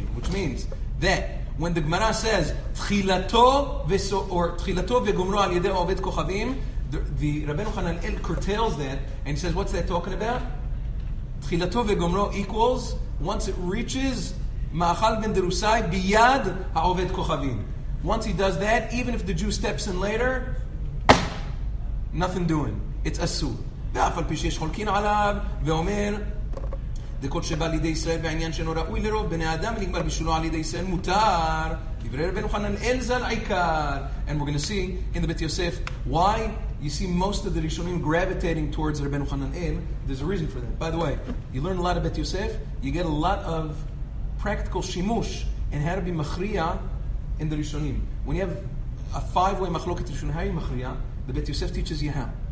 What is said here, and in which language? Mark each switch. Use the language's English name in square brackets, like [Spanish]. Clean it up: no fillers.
[English] Which means that when the Gemara says [Hebrew] tchilato v'gomro al yedei oved kochavim, [English] the Rabbeinu Chanan El curtails that and says, what's that talking about? [Hebrew] Tchilato v'gomro [English] equals once it reaches [Hebrew] ma'achal ben derusai biyad ha'oved kochavim. [English] Once he does that, even if the Jew steps in later, nothing doing. It's asur. [Hebrew] Ve'af al pi she'yesh cholkin alav ve'omer דקות שבא לידי ישראל בעניין שאינו ראוי לרוב בני האדם ונגמר בשולו על ידי ישראל מותר דברי רבנו חנן אל זל עיקר. [English] And we're going to see in the Bet Yosef why you see most of the Rishonim gravitating towards רבנו חנן אל. There's a reason for that. By the way, you learn a lot of Bet Yosef, you get a lot of practical שימוש in how to be מכריע in the Rishonim. When you have a five-way מחלוקת Rishonim, how are you מכריע? The Bet Yosef teaches you how.